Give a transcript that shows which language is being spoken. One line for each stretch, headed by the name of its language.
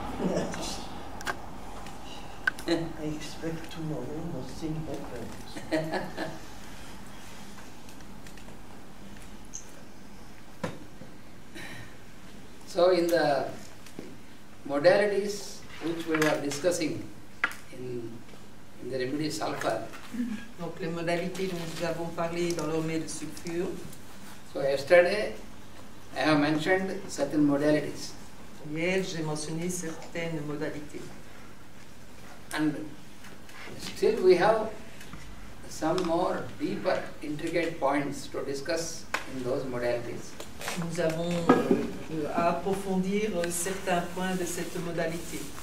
English: Yes. I expect tomorrow nothing happens. So in the modalities which we were discussing in the remedy sulfur.
French: Donc les modalités dont nous avons parlé dans le remède sulfure.
English: So yesterday I have mentioned certain modalities.
French: Hier j'ai mentionné certaines modalités.
English: And still we have some more deeper intricate points to discuss in those modalities.
French: Nous avons à approfondir certains points de cette modalité.